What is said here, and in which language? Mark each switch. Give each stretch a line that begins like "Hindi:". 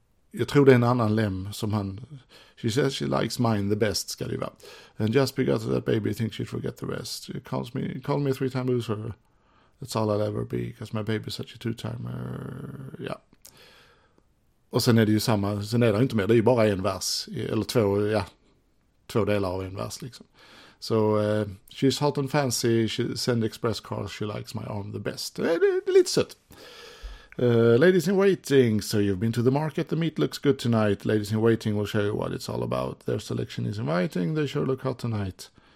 Swedish: Jag tror det är en annan lem som han...
English: She says she likes mine the best,
Swedish: ska det vara.
English: And just because of that baby thinks she'd forget the rest. She calls me, call me a three-time loser. That's all I'll ever be, because my baby's such a two-timer.
Swedish: Ja. Och sen är det ju samma, sen är det inte mer, det är ju bara en vers, eller två, ja, två delar av en vers liksom.
English: Så, she's hot and fancy, she send express cars, she likes my arm the best.
Swedish: Det är lite sött.
English: Ladies in waiting, so you've been to the market, the meat looks good tonight. Ladies in waiting will show you what it's all about. Their selection is inviting, they sure look hot tonight.